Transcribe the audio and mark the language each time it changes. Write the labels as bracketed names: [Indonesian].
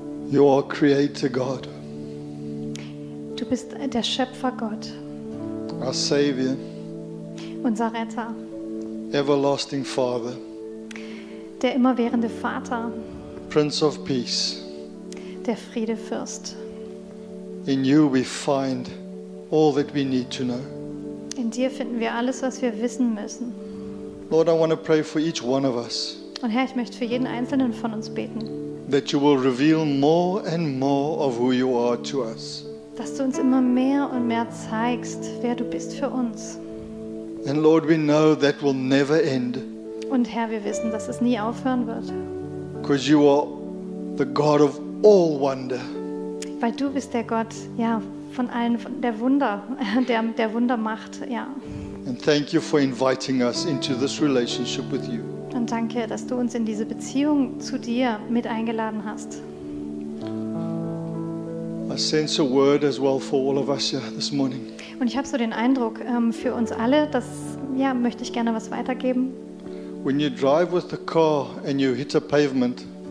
[English] You are Creator God. [German] Du bist der Schöpfer Gott. [English] Our Savior. [German] Unser Retter. [English] Everlasting Father. [German] Der immerwährende Vater. [English] Prince of Peace. [German] Der Friedefürst. [English] In you we find all that we need to know. [German] In dir finden wir alles, was wir wissen müssen. [English] Lord, I want to pray for each one of us. [German] Und Herr, ich möchte für jeden einzelnen von uns beten. [English] That you will reveal more and more of who you are to us. [German] Dass du uns immer mehr und mehr zeigst, wer du bist für uns. [English] And Lord, we know that will never end. [German] Und Herr, wir wissen, dass es nie aufhören wird. [English] Because you are the God of all wonder. [German] Weil du bist der Gott, ja, von allen, von der Wunder, der Wunder macht, ja. [English] And thank you for inviting us into this relationship with you. [German] Und danke, dass du uns in diese Beziehung zu dir mit eingeladen hast. [English] I sense a word as well for all of us here this morning. [German] Und ich habe so den Eindruck, für uns alle, das, ja, möchte ich gerne was weitergeben. [English] When you drive with the car and you hit a pavement.